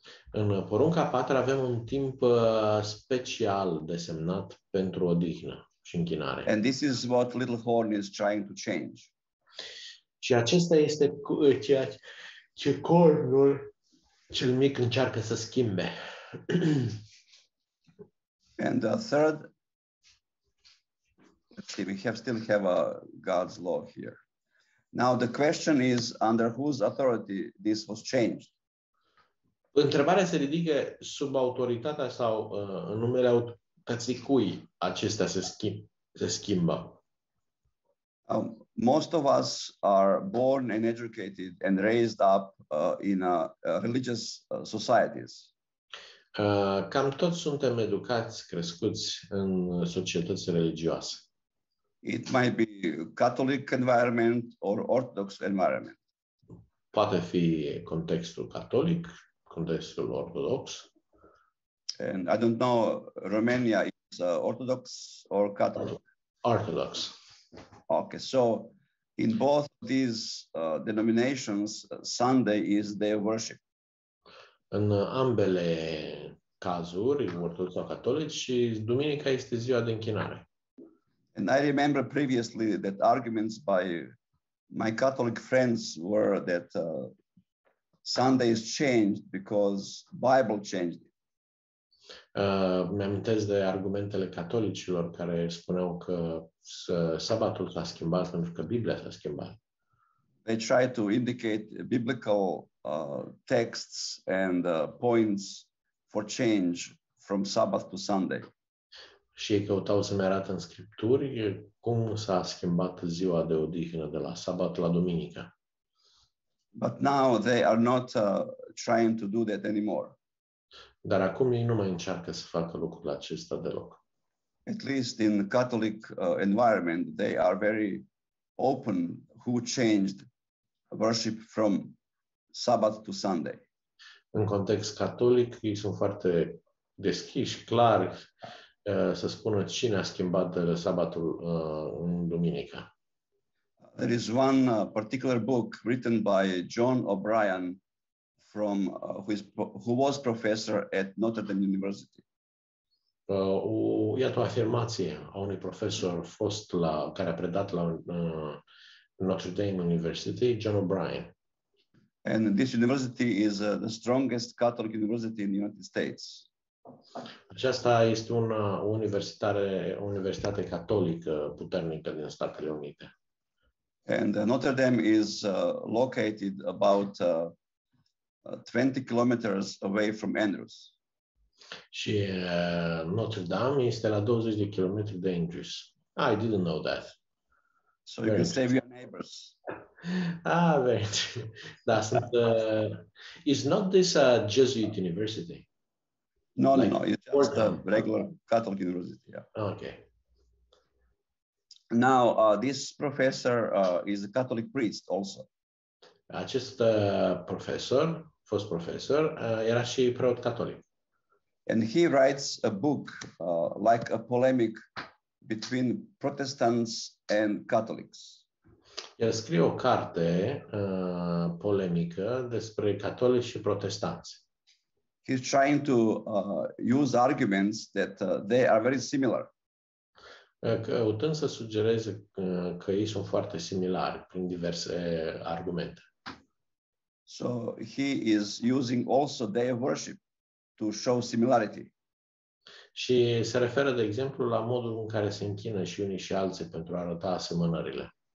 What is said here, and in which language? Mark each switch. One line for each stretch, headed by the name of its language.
Romanian: În porunca a patra avem un timp special desemnat pentru odihnă și închinare.
English: And this is what Little Horn is trying to change.
Romanian: Și acesta este ceea ce cornul cel mic încearcă să schimbe.
English: And the third, let's see, we still have a God's law here. Now the question is, under whose authority this was changed?
Romanian: Întrebarea se ridică sub autoritatea sau în numele autorității cui acestea se schimbă?
English: Most of us are born and educated and raised up in a religious societies.
Romanian: Cam toți suntem educați, crescuți în societăți religioase.
English: It might be Catholic environment or Orthodox environment.
Romanian: Poate fi contextul catolic, contextul ortodox.
English: And I don't know, Romania is Orthodox or Catholic? Orthodox. Okay, so in both these denominations, Sunday is their worship.
Romanian: În ambele cazuri, ortodox sau catolic, și duminica este ziua de închinare.
English: And I remember previously that arguments by my Catholic friends were that Sunday is changed because Bible changed it.
Romanian: Mi-amintesc de argumentele catolicilor care spuneau că sabatul s-a schimbat pentru că Biblia s-a schimbat.
English: They try to indicate biblical texts and points for change from Sabbath to Sunday.
Romanian: Și ei căutau să-mi arată în scripturi cum s-a schimbat ziua de odihnă de la sabat la duminică.
English: But now they are not trying to do that anymore.
Romanian: Dar acum ei nu mai încearcă să facă lucrul acesta deloc.
English: At least in the Catholic environment they are very open who changed worship from Sabbath to Sunday.
Romanian: În context catolic ei sunt foarte deschiși, clar, să spună cine a schimbat sabatul în duminică.
English: There is one particular book written by John O'Brien from who was professor at Notre Dame University.
Romanian: Iată o afirmație a unui profesor fost la care a predat la Notre Dame University, John O'Brien.
English: And this university is the strongest Catholic university in the United States.
Romanian: Aceasta este una universitate catolică puternică din Statele Unite.
English: And Notre Dame is located about 20 kilometers away from Andrews.
Romanian: Și Notre Dame este la 20 de kilometri de Andrews.
English: I didn't know that. So you can save your neighbors. Ah, very interesting. That's is not this a Jesuit university? No. It's just a regular Catholic university. Yeah. Okay. Now, this professor is a Catholic priest also.
Romanian: Acest profesor, fost profesor, era și preot catolic.
English: And he writes a book like a polemic between Protestants and Catholics.
Romanian: El scrie o carte polemică despre catolici și protestanți.
English: He's trying to use arguments that they are very similar.
Romanian: Căutând să sugereze că ei sunt foarte similari prin diverse argumente.
English: So he is using also their worship to show similarity.
Romanian: Și se referă, de exemplu, la modul în care se închină și unii și alții pentru a arăta asemănările.